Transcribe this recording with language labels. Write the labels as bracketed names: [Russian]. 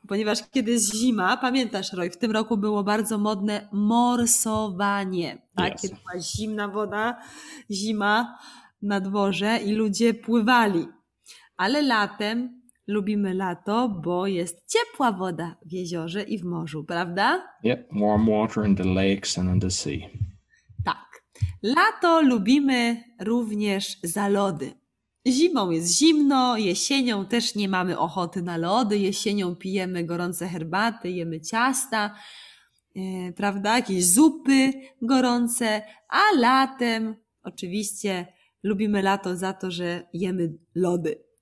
[Polish] Ponieważ kiedy jest zima, pamiętasz, Roy, w tym roku było bardzo modne morsowanie. Tak, [English] yes. [Polish] Kiedy była zimna woda, zima na dworze i ludzie pływali. Ale latem lubimy lato, bo jest ciepła woda w jeziorze i w morzu, prawda? [English] Yep, warm water in the lakes and in the sea. [Polish] Lato lubimy również za lody. Zimą jest zimno, jesienią też nie mamy ochoty na lody, jesienią pijemy gorące herbaty, jemy ciasta, prawda, jakieś zupy gorące, a latem oczywiście lubimy lato za to, że jemy lody.